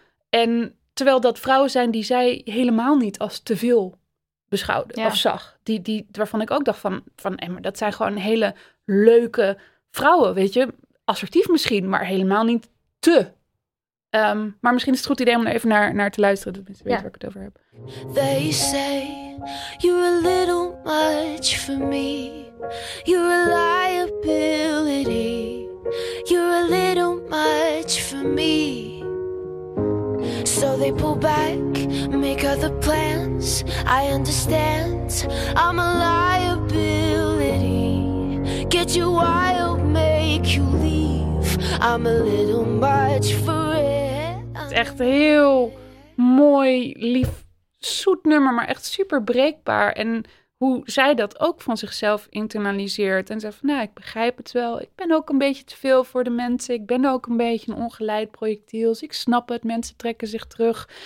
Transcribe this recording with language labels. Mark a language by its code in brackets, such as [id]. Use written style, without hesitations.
[nl] En terwijl dat vrouwen zijn die zij helemaal niet als te veel beschouwde, ja, of zag. Die waarvan ik ook dacht van Emma, dat zijn gewoon hele leuke vrouwen, weet je. Assertief misschien, maar helemaal niet te. Maar misschien is het goed idee om er even naar te luisteren. Dat mensen, ja, weten waar ik het over heb. [en] They say you're a little much for me. You're a liability. You're a little much for me. So they pull back, make other plans. I understand, I'm a liability. Get you wild, make you leave. I'm a little much for it. [nl] Echt heel mooi, lief, zoet nummer, maar echt super breekbaar. En hoe zij dat ook van zichzelf internaliseert. En zegt van, nou, ik begrijp het wel. Ik ben ook een beetje te veel voor de mensen. Ik ben ook een beetje een ongeleid projectiel. Dus ik snap het. Mensen trekken zich terug.